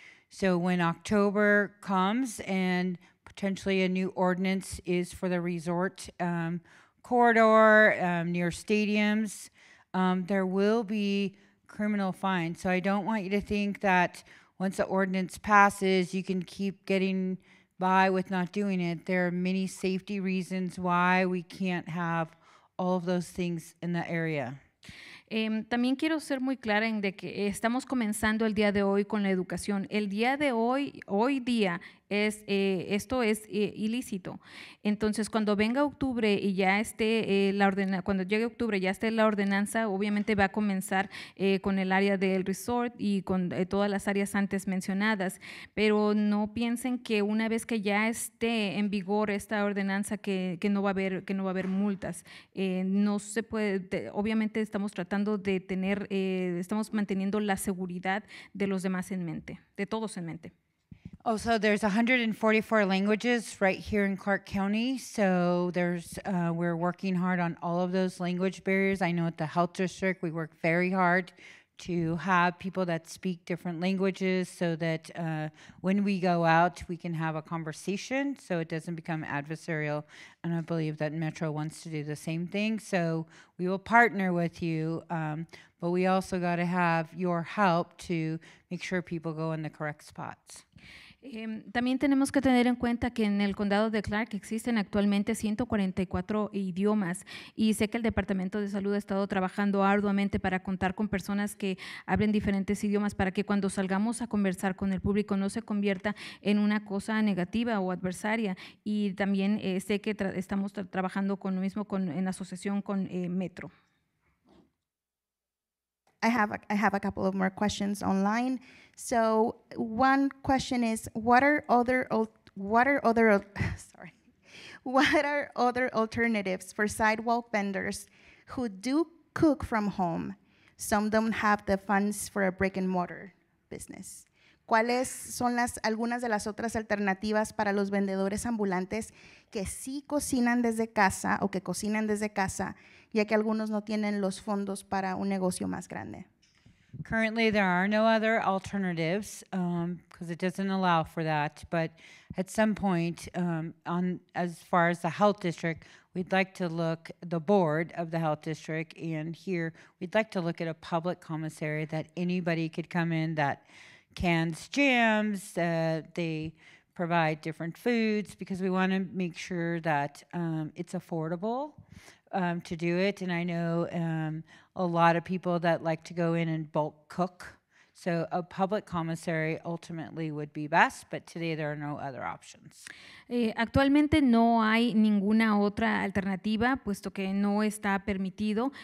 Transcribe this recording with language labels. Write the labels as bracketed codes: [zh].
[en] So when October comes and potentially a new ordinance is for the resort corridor near stadiums, there will be criminal fines. So I don't want you to think that once the ordinance passes, you can keep getting by with not doing it. There are many safety reasons why we can't have all of those things in the area. [es] También quiero ser muy clara en de que estamos comenzando el día de hoy con la educación. El día de hoy día, esto es ilícito. Entonces, cuando venga octubre y ya esté cuando llegue octubre ya esté la ordenanza, obviamente va a comenzar con el área del resort y con todas las áreas antes mencionadas. Pero no piensen que una vez que ya esté en vigor esta ordenanza que no va a haber multas. No se puede. Obviamente estamos tratando de tener, estamos manteniendo la seguridad de los demás en mente, de todos en mente. [en] Also, there's 144 languages right here in Clark County, so we're working hard on all of those language barriers. I know at the health district, we work very hard to have people that speak different languages so that when we go out, we can have a conversation so it doesn't become adversarial. And I believe that Metro wants to do the same thing. So we will partner with you, but we also got to have your help to make sure people go in the correct spots. [es] También tenemos que tener en cuenta que en el condado de Clark existen actualmente 144 idiomas y sé que el Departamento de Salud ha estado trabajando arduamente para contar con personas que hablen diferentes idiomas para que cuando salgamos a conversar con el público no se convierta en una cosa negativa o adversaria. Y también sé que estamos trabajando con lo mismo en asociación con Metro. [en] I have a couple of more questions online. So one question is, what are other alternatives for sidewalk vendors who do cook from home? Some don't have the funds for a brick and mortar business. [es] ¿Cuáles son algunas de las otras alternativas para los vendedores ambulantes que sí cocinan desde casa o que cocinan desde casa, ya que algunos no tienen los fondos para un negocio más grande? [en] Currently, there are no other alternatives because it doesn't allow for that. But at some point, as far as the health district, we'd like to look the board of the health district, and here we'd like to look at a public commissary that anybody could come in that cans jams, they provide different foods, because we want to make sure that it's affordable to do it. And I know a lot of people that like to go in and bulk cook, so a public commissary ultimately would be best, but today there are no other options. [es] Actualmente no hay ninguna otra alternativa, puesto que no está permitido.